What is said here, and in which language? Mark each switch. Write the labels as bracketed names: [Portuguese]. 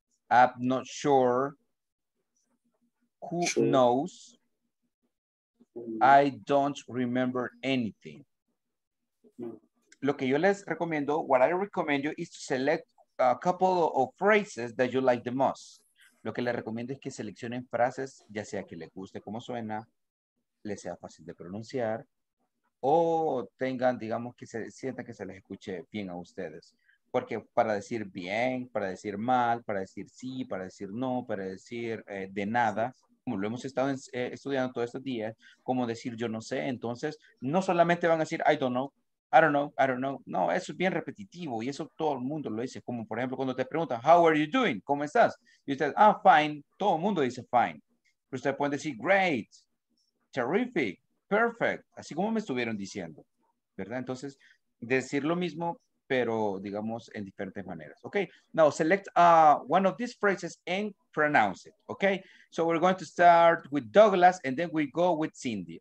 [English] I'm not sure. Who knows? I don't remember anything. [Spanish] Lo que yo les recomiendo, [English] what I recommend you is to select a couple of phrases that you like the most. [Spanish] Lo que les recomiendo es que seleccionen frases, ya sea que les guste cómo suena, les sea fácil de pronunciar, o tengan, digamos, que se sientan que se les escuche bien a ustedes. Porque para decir bien, para decir mal, para decir sí, para decir no, para decir de nada, como lo hemos estado estudiando todos estos días, como decir yo no sé, entonces no solamente van a decir [English] I don't know, I don't know, I don't know. [Spanish] No, eso es bien repetitivo y eso todo el mundo lo dice. Como por ejemplo cuando te preguntan, [English] how are you doing? [Spanish] ¿Cómo estás? Y usted, ah, fine. Todo el mundo dice fine. Pero usted puede decir [English] great, terrific, perfect. [Spanish] Así como me estuvieron diciendo, ¿verdad? Entonces, decir lo mismo, pero digamos en diferentes maneras. [English] Okay, now select one of these phrases and pronounce it. Okay, so we're going to start with Douglas and then we go with Cindy.